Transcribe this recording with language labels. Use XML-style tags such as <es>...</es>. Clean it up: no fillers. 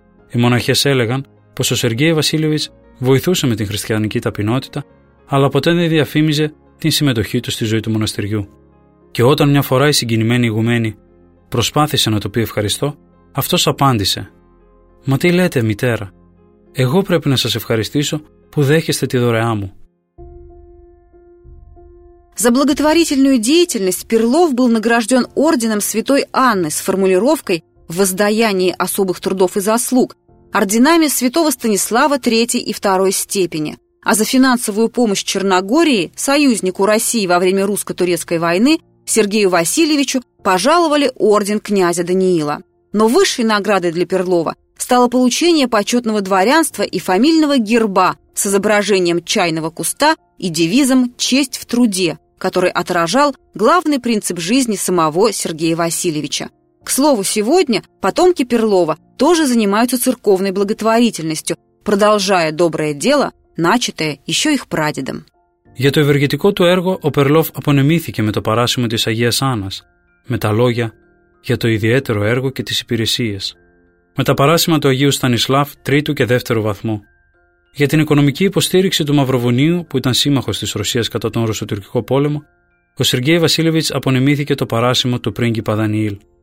<el>Οι μοναχές έλεγαν πως ο Σεργέη Βασίλεβιτς βοηθούσε με την χριστιανική ταπεινότητα, αλλά ποτέ δεν διαφήμιζε την συμμετοχή του στη ζωή του μοναστηριού. Και όταν μια φορά η συγκινημένη ηγουμένη προσπάθησε να του πει ευχαριστώ, αυτός απάντησε: «Μα τι λέτε, μητέρα, εγώ πρέπει να σας ευχαριστήσω που δέχεστε τη δωρεά μου».</el> <ru>За благотворительную деятельность Перлов был награжден орденом Святой Анны с формулировкой «Воздаяние особых трудов и заслуг», орденами Святого Станислава III и II степени. А за финансовую помощь Черногории, союзнику России во время русско-турецкой войны, Сергею Васильевичу пожаловали орден князя Даниила. Но высшей наградой для Перлова стало получение почетного дворянства и фамильного герба с изображением чайного куста и девизом «Честь в труде», который отражал главный принцип жизни самого Сергея Васильевича. К слову, сегодня потомки Перлова тоже занимаются церковной благотворительностью, продолжая доброе дело, начатое еще их прадедом.</ru> <el>Για το ευεργετικό του έργο, ο Περλόφ απονεμήθηκε με το παράσημο της Αγίας Άννας, με τα λόγια «Για το ιδιαίτερο έργο και τις υπηρεσίες», με τα παράσημα του Αγίου Στανισλάφ τρίτου και δεύτερου βαθμού, για την οικονομική υποστήριξη του Μαυροβουνίου που ήταν σύμμαχος της Ρωσίας κατά τον Ρωσοτουρκικό πόλεμο, ο Σεργέη Βασίλεβιτς απονεμήθηκε το παράσημο του πρίγκιπα Δανιήλ.</el>